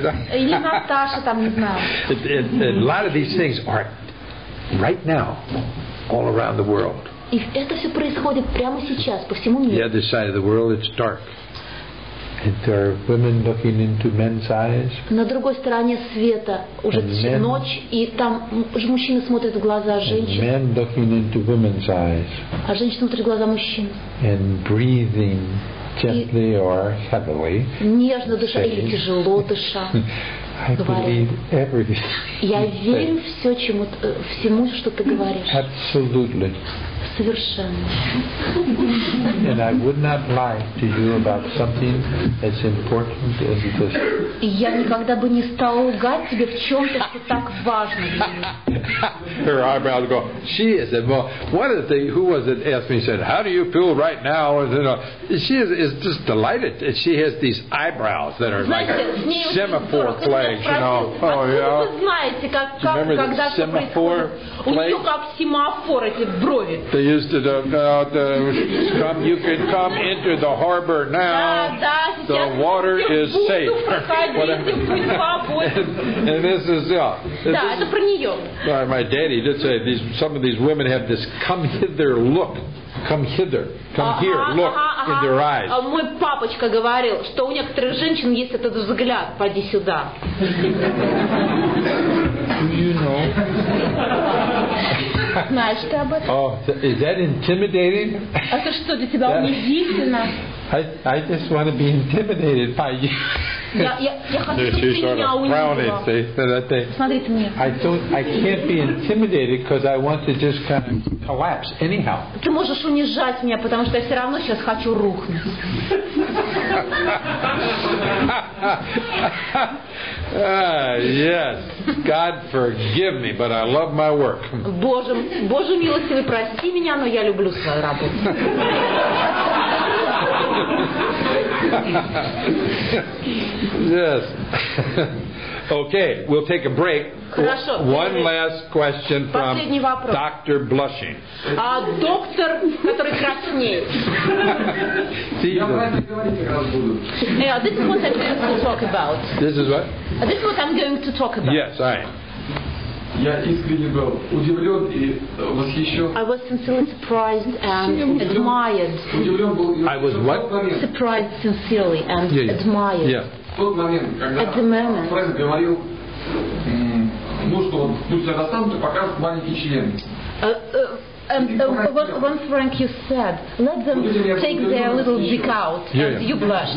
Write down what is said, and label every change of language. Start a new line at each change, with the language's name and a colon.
English: A lot of these things are right now all around the world. The other side of the world, it's dark. And there are women looking into men's eyes.
Russian: На другой стороне света уже ночь, и там уже мужчины смотрят в глаза женщин.
English: Men looking into women's eyes.
Russian: А женщины смотрят в глаза мужчин.
English: And breathing gently or heavily.
Russian: Нежно дыша или тяжело дыша.
English: I believe everything.
Russian: Я верю все, чему, всему, что ты говоришь.
English: Absolutely. And I would not lie to you about something as important as this.
Russian: Я никогда бы не стала лгать тебе в чем-то, что так важно.
English: Her eyebrows go. She is the most. One of the things, who was it asked me, said, "How do you feel right now?" And, you know, she is just delighted. And she has these eyebrows that are like semaphore flags, you know. Oh yeah.
Russian: Вы знаете, как
English: semaphore flags?
Russian: У нее как семафор эти брови.
English: They used to come. You can come into the harbor now.
Russian: Да, да,
English: the water is safe. And this is, yeah.
Russian: Да, это про нее.
English: My daddy did say these, some of these women have this come hither look. Come hither, come here, look in their eyes.
Russian: Мой папочка говорил, что у некоторых женщин есть этот взгляд, пойди сюда.
English: Do you know?
Russian: Знаешь ты об этом?
English: Oh, is that intimidating?
Russian: Это что, для тебя унизительно?
English: I just want to be intimidated by you. She's sort of frowning, see? I can't be intimidated because I want to just kind of collapse anyhow.
Russian: Ты можешь унижать меня, потому что я все равно сейчас хочу рухнуть.
English: Yes, God forgive me, but I love my work.
Russian: Боже, Боже милостивый, прости меня, но я люблю свою работу.
English: Yes. Okay, we'll take a break.
Russian: Хорошо,
English: one last question from Dr. Blushing.
Russian: Доктор, который краснеет.
English: See, this is what I'm going to talk about. This is what? This is what I'm going to talk about. Yes, I am.
Russian: Я искренне был удивлен и восхищен.
English: I was sincerely surprised and admired.
Russian: Удивлен был.
English: I was what? Surprised sincerely and admired. Yeah. At the moment,
Russian: Фрэнк говорил, муж, что он будет достанут и покажет маленький член.
English: When Frank, you said, let them take their little dick out, and you blushed.